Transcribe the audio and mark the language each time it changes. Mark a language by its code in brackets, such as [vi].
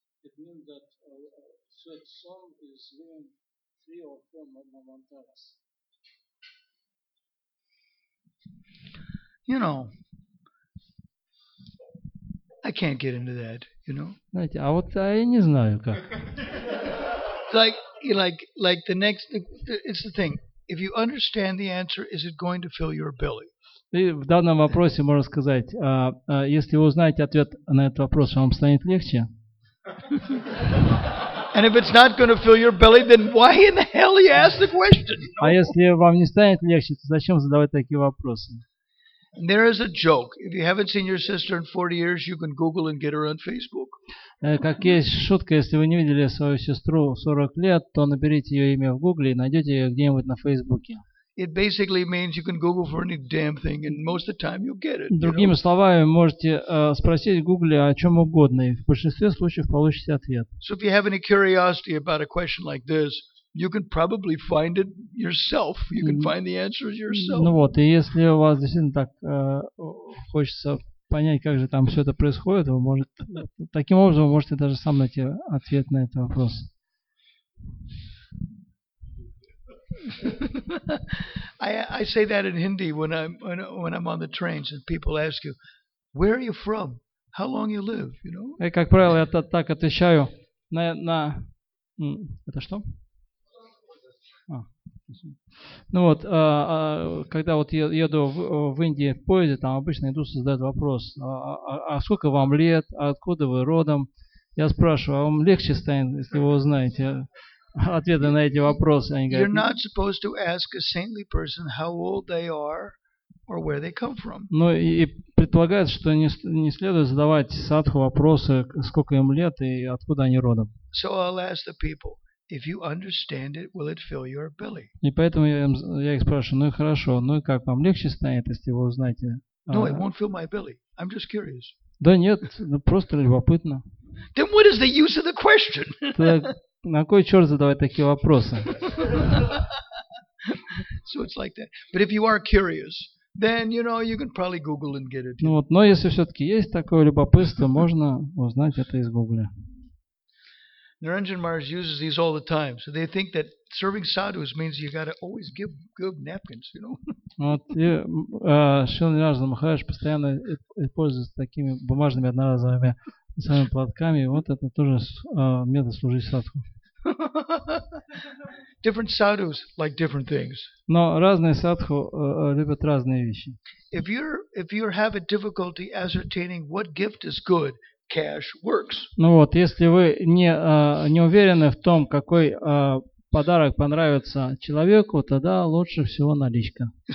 [en] It means that third son is ruling three or four manvantaras. You know, I can't get into that, you know. [ru] Знаете, а вот я не знаю как. [en] Like the next, it's the thing. If you understand the answer, is it going to fill your belly? [ru] В данном вопросе можно сказать, если вы узнаете ответ на этот вопрос, вам станет легче. [en] And if it's not going to fill your belly, then why in the hell you ask the question? [ru] А если вам не станет легче, то зачем задавать такие вопросы? [en] And there is a joke. If you haven't seen your sister in 40 years, you can Google and get her on Facebook. [ru] Как есть шутка, если вы не видели свою сестру 40 лет, то наберите ее имя в Гугле и найдете ее где-нибудь на Фейсбуке. [en] It basically means you can Google for any damn thing, and most of the time you'll get it. [ru] Другими словами, можете спросить в Гугле о чем угодно, и в большинстве случаев получите ответ. [en] So if you have any curiosity about a question like this, you can probably find it yourself. You can find the answers yourself. [ru] Ну вот, и если у вас действительно так хочется понять, как же там все это происходит, вы можете, таким образом вы можете даже сам найти ответ на этот вопрос. [en] I say that in Hindi when I'm on the trains and people ask you, where are you from? How long you live? You know? [ru] И как правило, я так отвечаю на это что? Ну вот, когда вот еду в Индии в поезде, там обычно идут задают вопрос, а сколько вам лет, а откуда вы родом? Я спрашиваю, а вам легче станет, если вы узнаете ответы на эти вопросы? Они говорят, [en] you're not supposed to ask a saintly person how old they are or where they come from. [ru] Ну и предполагается, что не следует задавать садху вопросы, сколько им лет и откуда они родом. [en] So I'll ask the people. If you understand it, will it fill your belly? [ru] И поэтому я их спрашиваю, ну и хорошо, ну и как вам легче станет, если вы узнаете? [en] No, it won't fill my belly. I'm just curious. [ru] Да нет, ну просто любопытно. [en] Then what is the use of the question? [ru] На кой черт задавать такие вопросы? [en] So it's like that. But if you are curious, then you know you can probably Google and get it. [ru] Ну вот, но если все-таки есть такое любопытство, можно узнать это из Гугля. [en] Niranjan Maharaj uses these all the time, so they think that serving sadhus means you got to always give good napkins, you know. [ru] Вот Шрила Ниранджан Махарадж постоянно пользуется такими бумажными одноразовыми своими платками. Вот это тоже метод служить садху. [en] Different sadhus like different things. [ru] Но разные садху любят разные вещи. [en] If you have a difficulty ascertaining what gift is good, cash works. [ru] Ну вот, если вы не уверены в том, какой подарок понравится человеку, тогда лучше всего наличка.